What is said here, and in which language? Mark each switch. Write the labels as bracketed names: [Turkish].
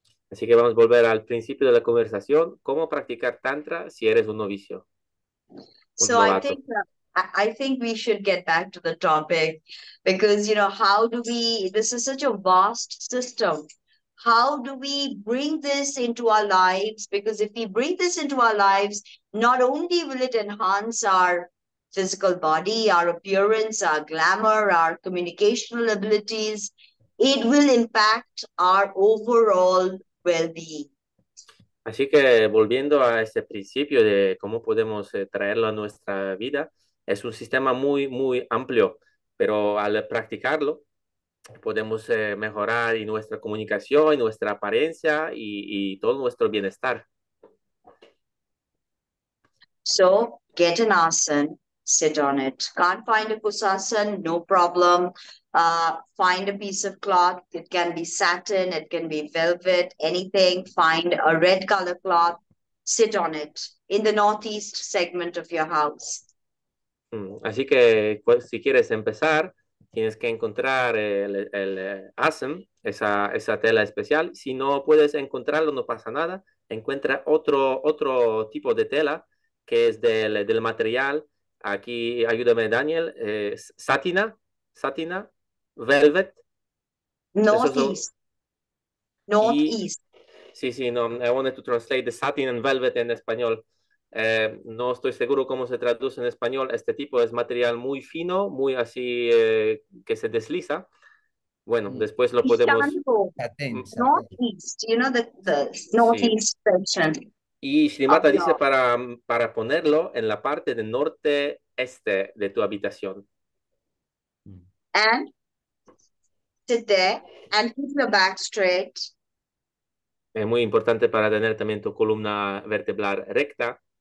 [Spanish] Así que vamos a volver al principio de la conversación. ¿Cómo practicar Tantra si eres un novicio? [English] So I think we should get back to the topic because, you know, how do we, this is such a vast system. How do we bring this into our lives? Because if we bring this into our lives, not only will it enhance our physical body, our appearance, our glamour, our communicational abilities, it will impact our overall well-being. [Spanish] Así que volviendo a este principio de cómo podemos traerlo a nuestra vida, es un sistema muy, muy amplio, pero al practicarlo, podemos mejorar y nuestra comunicación, y nuestra apariencia y todo nuestro bienestar. [English] So, get an asana, sit on it. Can't find a kusasana, no problem. Find a piece of cloth. It can be satin, it can be velvet, anything. Find a red color cloth, sit on it in the northeast segment of your house. [Spanish] Así que pues, si quieres empezar, tienes que encontrar el asana, esa tela especial. Si no puedes encontrarlo, no pasa nada. Encuentra otro tipo de tela que es del material. Aquí, ayúdame, Daniel. Satina, velvet. [English] Northeast. Northeast. [Spanish] Sí, no. [English] I wanted to translate the satin and velvet [Spanish] en español. No estoy seguro cómo se traduce en español. Este tipo es material muy fino, muy así que se desliza. Bueno, después lo podemos... [English] Northeast, you know the northeast portion. [Spanish] Y Shrimata dice para ponerlo en la parte del norte este de tu habitación. [English] And sit there and keep your back straight. [Spanish] Es muy importante para tener también tu columna vertebral recta.